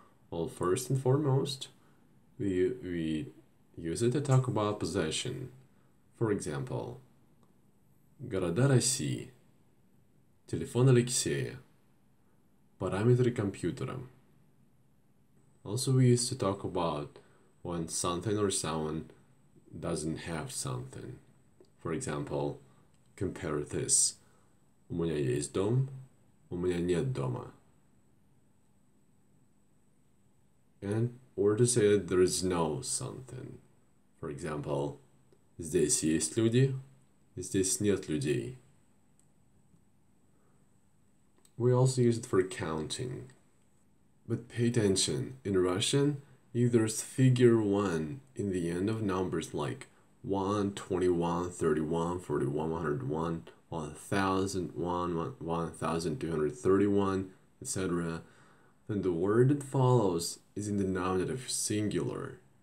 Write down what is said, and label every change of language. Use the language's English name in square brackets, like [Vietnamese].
[English] Well, first and foremost, we use it to talk about possession. For example, [Russian] города России, телефон Алексея, параметры компьютера. [English] Also, we used to talk about when something or someone doesn't have something. For example, compare this. [Russian] У меня есть дом, у меня нет дома. [English] And, or to say that there is no something. For example, [Russian] здесь есть люди, здесь нет людей. [English] We also use it for counting. But pay attention, in Russian, if there's figure 1 in the end of numbers like 1, 21, 31, 41, 101, 1001, 1231, etc., then the word that follows is in the nominative singular.